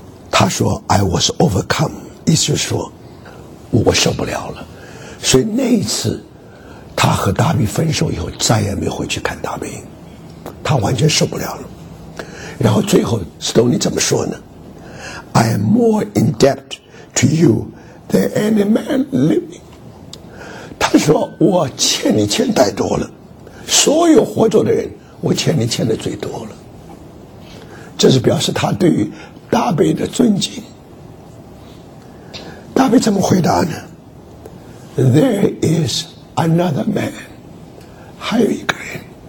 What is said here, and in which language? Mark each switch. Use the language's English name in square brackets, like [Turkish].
[Chinese] 他说 [English] I was overcome， [Chinese] 意思就是说我受不了了。所以那一次他和大卫分手以后再也没回去看大卫，他完全受不了了。然后最后斯多尼怎么说呢？ [English] I am more in debt to you than any man living。 [Chinese] 他说我欠你欠太多了，所有活着的人我欠你欠的最多了。这是表示他对于大卫的尊敬。大卫怎么回答呢？ [English] There is another man， [Chinese] 还有一个人。